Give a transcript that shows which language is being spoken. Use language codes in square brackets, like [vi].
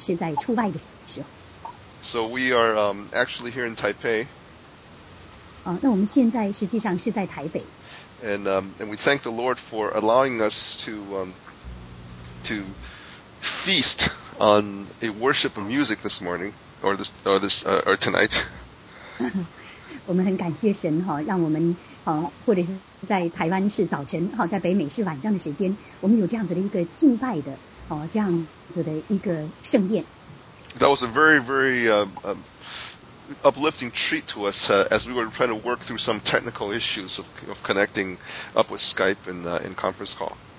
[zh] 如果你发现有点混乱的时候，我通常都是不是在北美，是在出外的时候。 [en] So we are actually here in Taipei. [zh] 那我们现在实际上是在台北。 [en] And we thank the Lord for allowing us to feast on a worship of music this morning or tonight. [zh] 我们很感谢神，让我们或者是在台湾是早晨，在北美是晚上的时间，我们有这样子的一个敬拜的这样子的一个盛宴。 [en] That was a very, very uplifting treat to us as we were trying to work through some technical issues of connecting up with Skype and in conference call.